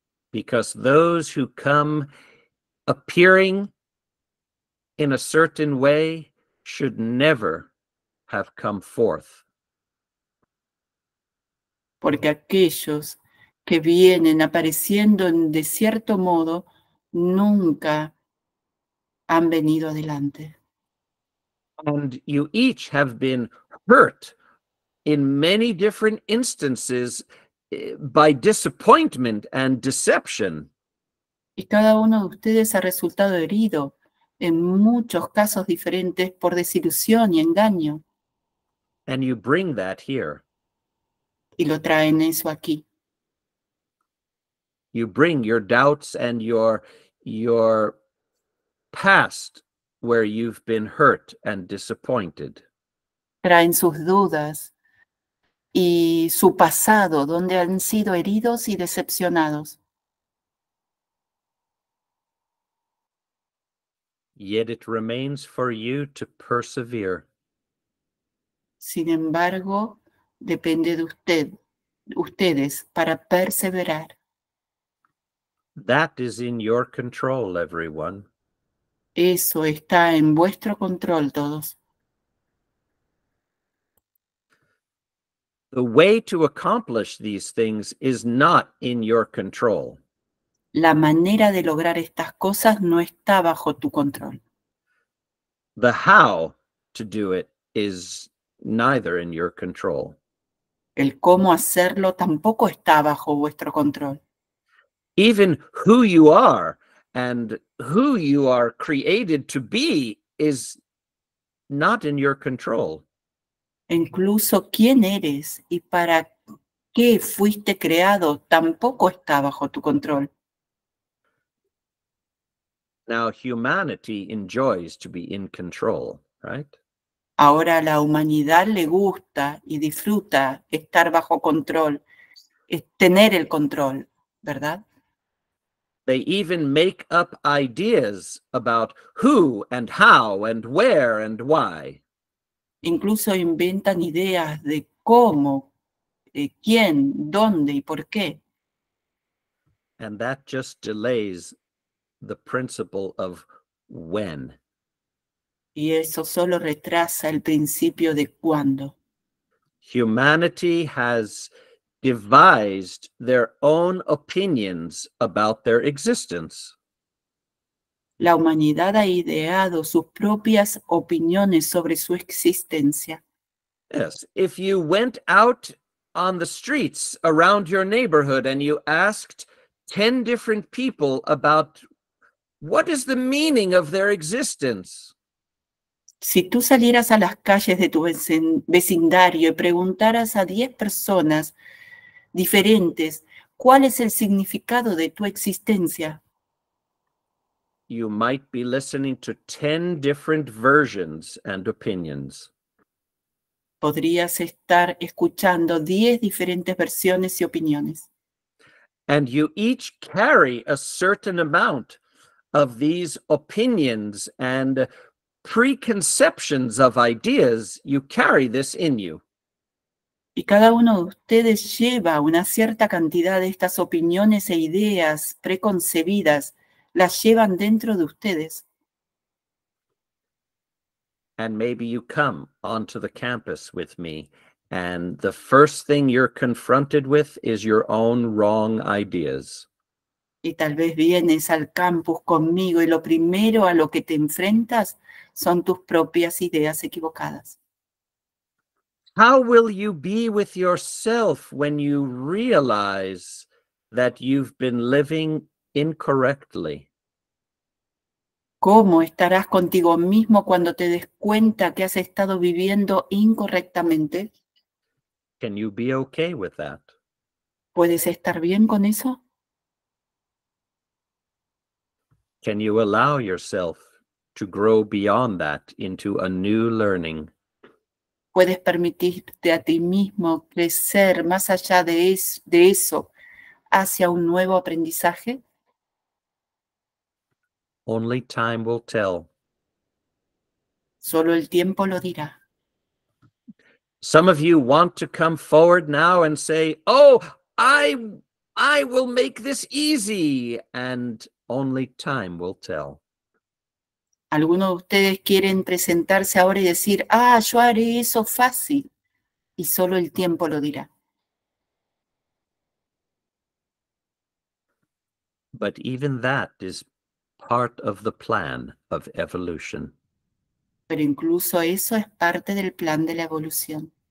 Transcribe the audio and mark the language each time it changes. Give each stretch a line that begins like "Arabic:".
English: Because those who come appearing in a certain way should never have come forth.
Spanish: Porque aquellos que vienen apareciendo de cierto modo nunca han venido adelante.
English: And you each have been hurt in many different instances by disappointment and deception.
Spanish: Y cada uno de ustedes ha resultado herido en muchos casos diferentes por desilusión y engaño.
English: And you bring that here.
Spanish: Y lo traen eso aquí.
English: You bring your doubts and your past where you've been hurt and disappointed.
Spanish: Traen sus dudas y su pasado donde han sido heridos y decepcionados.
English: Yet it remains for you to persevere.
Spanish: Sin embargo, depende de ustedes para perseverar.
English: That is in your control, everyone.
Spanish: Eso está en vuestro control, todos.
English: The way to accomplish these things is not in your control.
Spanish: La manera de lograr estas cosas no está bajo tu control.
English: The how to do it is neither in your control.
Spanish: El cómo hacerlo tampoco está bajo vuestro control.
English: Even who you are and who you are created to be is not in your control.
Spanish: Incluso quién eres y para qué fuiste creado tampoco está bajo tu control.
English: Now humanity enjoys to be in control, right?
Spanish: Ahora la humanidad le gusta y disfruta estar bajo control, tener el control, ¿verdad?
English: They even make up ideas about who and how and where and why.
Spanish: Incluso inventan ideas de cómo, quién, dónde y por qué.
English: And that just delays the principle of when.
Spanish: Y eso solo retrasa el principio de cuándo.
English: Humanity has devised their own opinions about their existence.
Spanish: La humanidad ha ideado sus propias opiniones sobre su existencia.
English: Yes, if you went out on the streets around your neighborhood and you asked 10 different people about what is the meaning of their existence?
Spanish: Si tú salieras a las calles de tu vecindario y preguntaras a 10 personas diferentes, ¿cuál es el significado de tu existencia?
English: You might be listening to 10 different versions and opinions.
Spanish: Podrías estar escuchando 10 diferentes versiones y opiniones.
English: And you each carry a certain amount of these opinions and preconceptions of ideas, you carry this in you.
Spanish: Y cada uno de ustedes lleva una cierta cantidad de estas opiniones e ideas preconcebidas, las llevan dentro de ustedes.
English: And maybe you come onto the campus with me, and the first thing you're confronted with is your own wrong ideas.
Spanish: Y tal vez vienes al campus conmigo y lo primero a lo que te enfrentas son tus propias ideas equivocadas.
English: How will you be with yourself when you realize that you've been living incorrectly?
Spanish: ¿Cómo estarás contigo mismo cuando te des cuenta que has estado viviendo incorrectamente?
English: Can you be okay with that?
Spanish: ¿Puedes estar bien con eso?
English: Can you allow yourself to grow beyond that into a new learning?
Spanish: ¿Puedes permitirte a ti mismo crecer más allá de eso hacia un nuevo aprendizaje?
English: Only time will tell.
Spanish: Solo el tiempo lo dirá.
English: Some of you want to come forward now and say, "Oh, I will make this easy," and only time will tell.
Spanish: Algunos de ustedes quieren presentarse ahora y decir, "Ah, yo haré eso fácil." Y solo el tiempo lo dirá.
English: But even that is part of the plan of evolution.
Spanish: Pero incluso eso es parte del plan de la evolución.